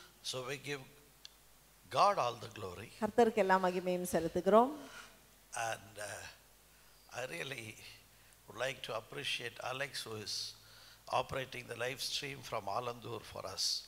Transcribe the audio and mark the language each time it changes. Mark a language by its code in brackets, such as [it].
[en] So we give God all the glory. [ta] கர்த்தருக்கு எல்லா மகிமையும் செலுத்துகிறோம். [en] And I really would like to appreciate Alex, who is operating the live stream from Alandur for us.